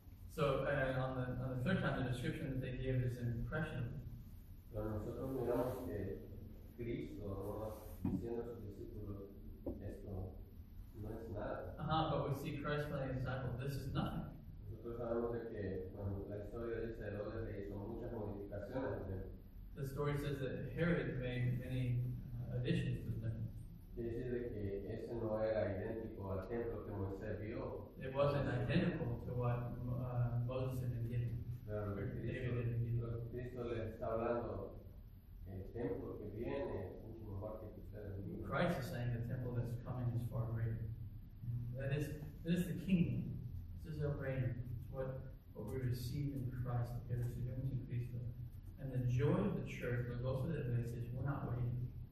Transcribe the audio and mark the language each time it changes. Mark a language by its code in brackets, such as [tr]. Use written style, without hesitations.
[en] So, on the third time, the description that they give is impressionable. [es] Pero nosotros miramos que Cristo, diciendo a sus discípulos, esto no es nada. [en] But we see Christ telling his disciples, this is nothing. [es] Nosotros sabemos de que, bueno, la historia dice de Herodes que hizo muchas modificaciones al templo. [en] The story says that Herod made many additions to the temple. [es] Quiere decir de que ese no era idéntico al templo que Moisés vio. [en] It wasn't identical to what Moses had been given. [es] Pero lo que Cristo le está hablando, el templo que viene es mucho mejor que ustedes mismos. [en] Christ is saying the temple that's coming is far greater. That is the kingdom. This is our reign. It's what we receive in Christ, [es] que recibimos en Cristo. [en] And the joy of the church, the gozo of the iglesia, is we're not waiting.